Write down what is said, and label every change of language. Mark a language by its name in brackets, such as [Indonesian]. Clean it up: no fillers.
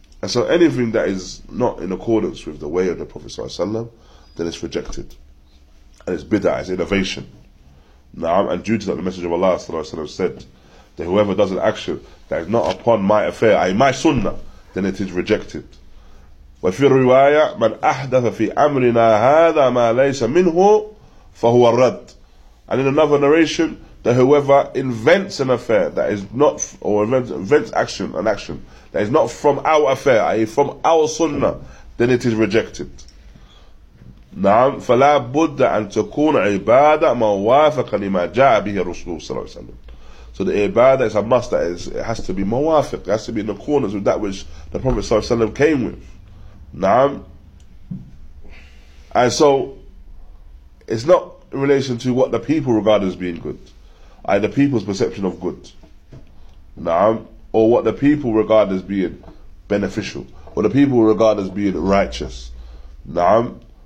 [English] And so anything that is not in accordance with the way of the Prophet صلى الله عليه وسلم, then it's rejected. And it's bid'ah, it's innovation. نعم. And due to that, the Messenger of Allah صلى الله عليه وسلم said that whoever does an action that is not upon my affair, my sunnah, then it is rejected. [Arabic] وفي الرواية من أحدث في أمرنا هذا ما ليس منه فهو الرد. [English] And in another narration, that whoever invents an affair that is not, or invents an action that is not from our affair, i.e. from our sunnah, then it is rejected. نعم. [Arabic] فلا بد أن تكون عبادة موافقة لما جاء به رسول صلى الله عليه وسلم. [English] So the ibadah is a must, that is, it has to be موافق, it has to be in the corners with that which the Prophet صلى الله عليه وسلم came with. [Arabic] نعم. [English] And so it's not in relation to what the people regard as being good, either the people's perception of good, na'am, or what the people regard as being beneficial, or the people regard as being righteous, na'am.